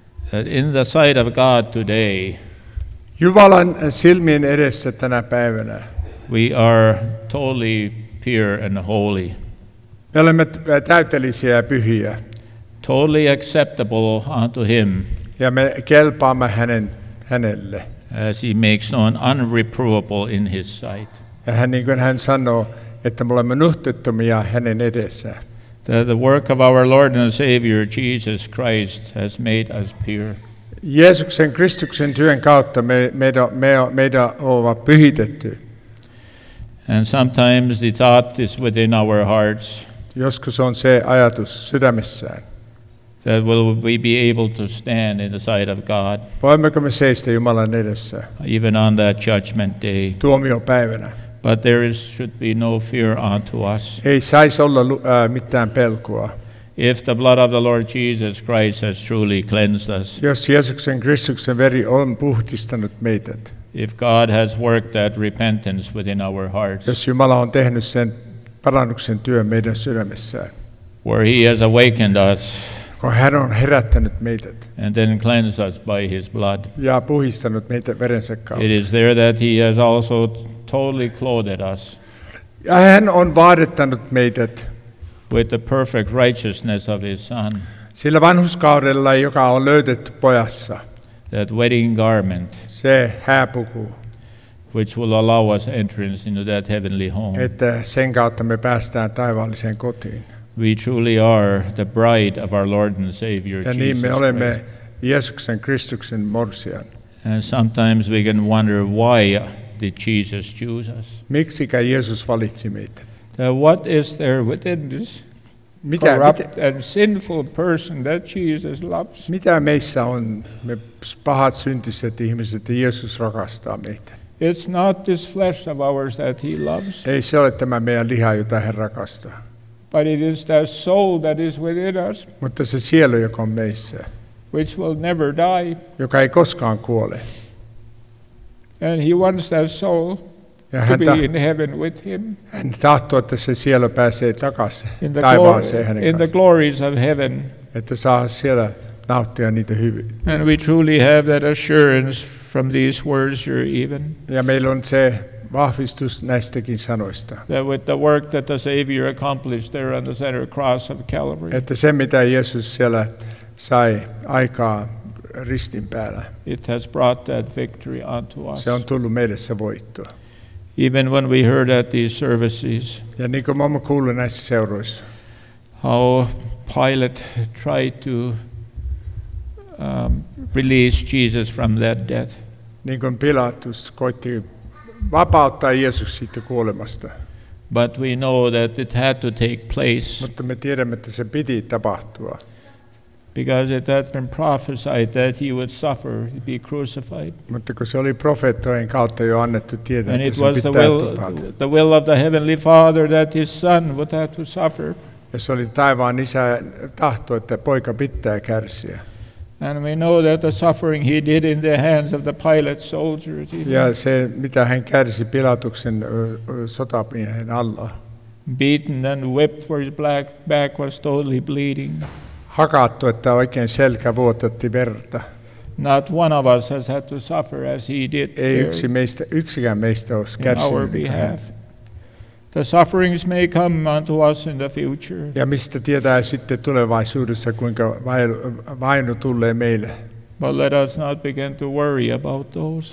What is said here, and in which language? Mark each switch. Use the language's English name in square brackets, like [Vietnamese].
[English] That in the sight of God today, [Finnish] Jumalan silmien edessä tänä päivänä, [English] we are totally pure and holy. [Finnish] Me olemme täydellisiä ja pyhiä. [English] Totally acceptable unto him. [Finnish] Ja me kelpaamme hänelle. [English] As he makes known unreprovable in his sight. [Finnish] Ja hän, niin kuin hän sanoo, että me olemme nuhteettomia hänen edessä. [English] The work of our Lord and Savior Jesus Christ has made us pure. [Finnish] Jeesuksen Kristuksen työn kautta meidän on pyhitetty. [English] And sometimes the thought is within our hearts. [Finnish] Joskus on se ajatus sydämessään. [English] That will we be able to stand in the sight of God. [Finnish] Voimmeko me seistä Jumalan edessä? [English] Even on that judgment day. [Finnish] Tuomiopäivänä. [English] But there is should be no fear unto us. [Finnish] Ei saisi olla mitään pelkoa. [English] If the blood of the Lord Jesus Christ has truly cleansed us. [Finnish] Jos Jeesuksen Kristuksen veri on puhdistanut meidät. [English] If God has worked that repentance within our hearts. [Finnish] Jos Jumala on tehnyt sen parannuksen työn meidän sydämessään. [English] Where he has awakened us. [Finnish] Kun hän on herättänyt meidät. [English] And then cleansed us by his blood. [Finnish] Ja puhdistanut meitä verensä kautta. [English] It is there that he has also totally clothed us. [Finnish] Ja hän on vaatettanut meidät. [English] With the perfect righteousness of his son. [Finnish] Sillä vanhuskaudella, joka on löydetty pojassa. [English] that wedding garment, [Finnish] se hääpuku, [English] which will allow us entrance into that heavenly home, [Finnish] että sen kautta me päästään taivaalliseen kotiin. [English] We truly are the bride of our Lord and Savior [Finnish] Jesus. Ja niin me olemme Jeesuksen Kristuksen morsian. [English] And sometimes we can wonder why did Jesus choose us? [Finnish] Miksikä Jeesus valitsi meitä? [English] What is there within this and sinful person that Jesus loves? [Finnish] Mitä meissä on me pahat syntiset ihmiset, että Jeesus rakastaa meitä? [English] It's not this flesh of ours that he loves. [Finnish] Ei se ole tämä meidän liha, jota hän rakastaa. [English] But it is the soul that is within us. [Finnish] Mutta se sielu, joka on meissä. [English] Which will never die. [Finnish] Joka ei koskaan kuole. [English] And he wants that soul to be in heaven with him. [Finnish] Hän tahtoo, että se sielu pääsee takaisin taivaaseen hänen kanssaan. [English] In the glories of heaven. [Finnish] Että saa siellä nauttia niitä hyvin. [English] And we truly have that assurance from these words you're even. [Finnish] Ja meillä on se vahvistus näistäkin sanoista. [English] That with the work that the Savior accomplished there on the center cross of Calvary. [Finnish] Että se mitä Jeesus siellä sai aikaa ristin päällä. [English] It has brought that victory unto us. [Finnish] Se on tullut meille se voitto. [English] Even when we heard at these services. [Finnish] Ja niin kuin me olemme kuullut näissä seuroissa. [English] How Pilate tried to release Jesus from that death. [Finnish] Niin kuin Pilatus koitti vapauttaa Jeesus siitä kuolemasta. [English] But we know that it had to take place. [Finnish] Mutta me tiedämme, että se piti tapahtua. [English] Because it had been prophesied that he would suffer, be crucified. [Finnish] Mutta kun se oli profeettojen kautta jo annettu tietää, [English] and [Finnish] että se pitää tapahtua. [English] And it was the will of the heavenly Father that his son would have to suffer. [Finnish] Ja se oli taivaan isän tahto, että poika pitää kärsiä. [English] And we know that the suffering he did in the hands of the Pilate soldiers. [Finnish] Ja se mitä hän kärsi Pilatuksen sotamiehen alla. [English] Beaten and whipped for his black back was totally bleeding. [Finnish] Hakattu, että oikein selkä vuotatti verta. [English] Not one of us has had to suffer as he did. [Finnish] Ei yksikään meistä olisi kärsinyt. [English] In our behalf. The sufferings may come unto us in the future. [Finnish] Ja mistä tietää sitten tulevaisuudessa, kuinka vaino tulee meille. [English] But let us not begin to worry about those.